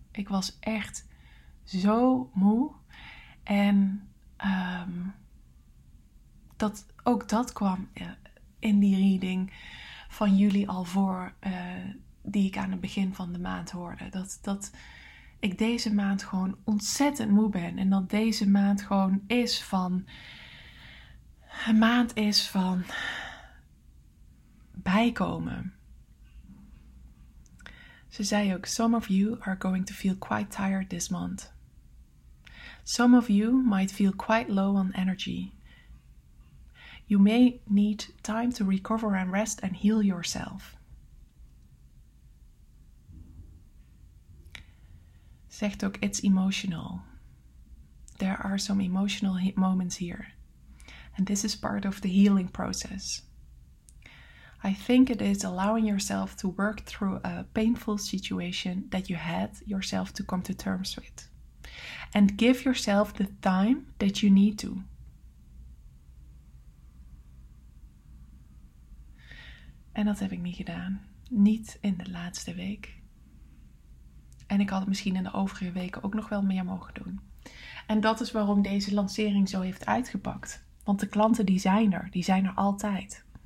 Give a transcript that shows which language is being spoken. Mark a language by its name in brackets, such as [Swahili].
[Dutch] Ik was echt zo moe. En dat, ook dat kwam in die reading van jullie al voor, die ik aan het begin van de maand hoorde. Dat ik deze maand gewoon ontzettend moe ben. En dat deze maand gewoon is van, een maand is van bijkomen. Ze zei ook, [English] some of you are going to feel quite tired this month. Some of you might feel quite low on energy. You may need time to recover and rest and heal yourself. [Dutch] Zegt ook, [English] it's emotional. There are some emotional moments here. And this is part of the healing process. I think it is allowing yourself to work through a painful situation that you had yourself to come to terms with. And give yourself the time that you need to. [Dutch] En dat heb ik niet gedaan. Niet in de laatste week. En ik had het misschien in de overige weken ook nog wel meer mogen doen. En dat is waarom deze lancering zo heeft uitgepakt. Want de klanten die zijn er. Die zijn er altijd.